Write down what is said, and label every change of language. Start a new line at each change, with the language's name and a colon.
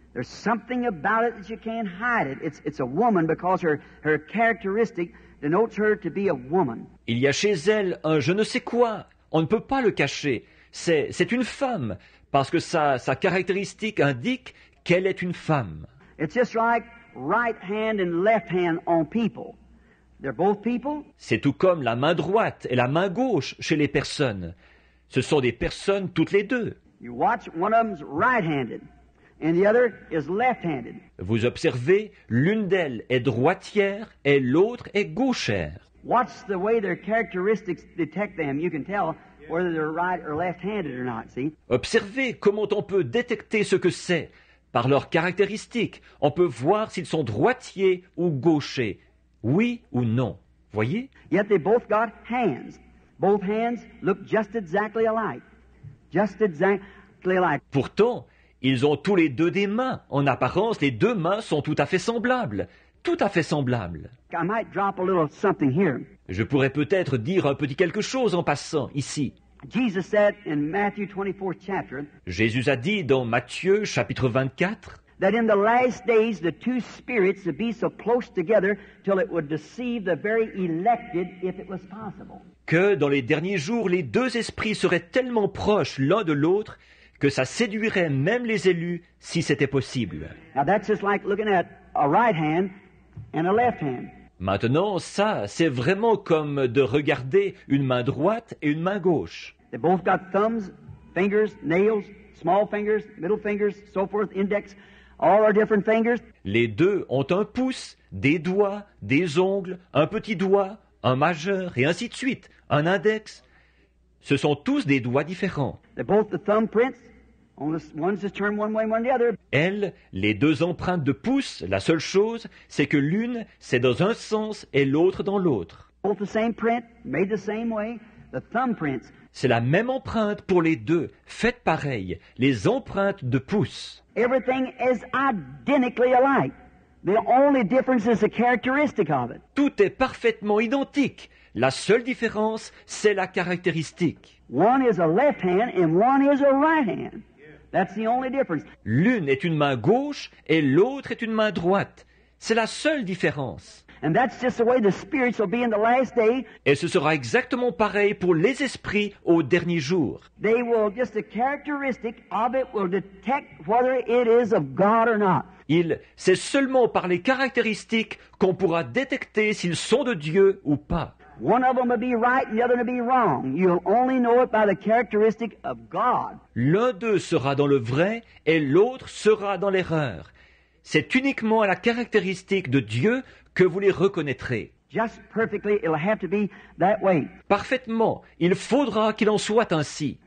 English: There's something about it that you can't hide it. It's a woman because her characteristic denotes her to be a woman.
French: Il y a chez elle un je ne sais quoi. On ne peut pas le cacher. C'est une femme parce que sa caractéristique indique qu'elle est une femme.
English: It's just like right hand and left hand on people. They're both people.
French: C'est tout comme la main droite et la main gauche chez les personnes. Ce sont des personnes toutes les deux.
English: You watch, one of them's right-handed and the other is left-handed.
French: Vous observez, l'une d'elles est droitière et l'autre est gauchère.
English: Watch the way their characteristics detect them. You can tell whether they're right or left-handed or not, see?
French: Observez comment on peut détecter ce que c'est. Par leurs caractéristiques, on peut voir s'ils sont droitiers ou gauchers. Oui ou non, voyez?
English: Yet they both got hands. Both hands look just exactly alike. Just exactly alike.
French: Pourtant, ils ont tous les deux des mains. En apparence, les deux mains sont tout à fait semblables. Tout à fait semblables.
English: I might drop a little something here.
French: Je pourrais peut-être dire un petit quelque chose en passant ici.
English: Jesus said in Matthew 24 chapter,
French: Jésus a dit dans Matthieu chapitre 24,
English: that in the last days the two spirits would be so close together till it would deceive the very elected if it was possible.
French: Que dans les derniers jours les deux esprits seraient tellement proches l'un de l'autre que ça séduirait même les élus si c'était possible.
English: Now that's just like looking at a right hand and a left hand.
French: Maintenant, ça, c'est vraiment comme de regarder une main droite et une main gauche.
English: They both got thumbs, fingers, nails, small fingers, middle fingers, so forth, index. All are different fingers.
French: Les deux ont un pouce, des doigts, des ongles, un petit doigt, un majeur, et ainsi de suite, un index. Ce sont tous des doigts différents.
English: They're both the thumbprints. One's just turned one way, one the other.
French: Elles, les deux empreintes de pouce, la seule chose, c'est que l'une, c'est dans un sens et l'autre dans l'autre.
English: Both the same print, made the same way, the thumbprints.
French: C'est la même empreinte pour les deux, faites pareil, les empreintes de pouce.
English: Everything is identically alike. The only difference is the characteristic of it.
French: Tout est parfaitement identique. La seule différence, c'est la caractéristique.
English: One is a left hand and one is a right hand. That's the only difference.
French: L'une est une main gauche et l'autre est une main droite. C'est la seule différence.
English: And that's just the way the spirits will be in the last day.
French: Et ce sera exactement pareil pour les esprits au dernier jour.
English: They will just the characteristic of it will detect whether it is of God or not.
French: C'est seulement par les caractéristiques qu'on pourra détecter s'ils sont de Dieu ou pas.
English: One of them will be right and the other will be wrong. You'll only know it by the characteristic of God.
French: L'un d'eux sera dans le vrai et l'autre sera dans l'erreur. C'est uniquement à la caractéristique de Dieu que vous les reconnaîtrez.
English: Just perfectly, it'll have to be that way.
French: Parfaitement, il faudra qu'il en soit ainsi.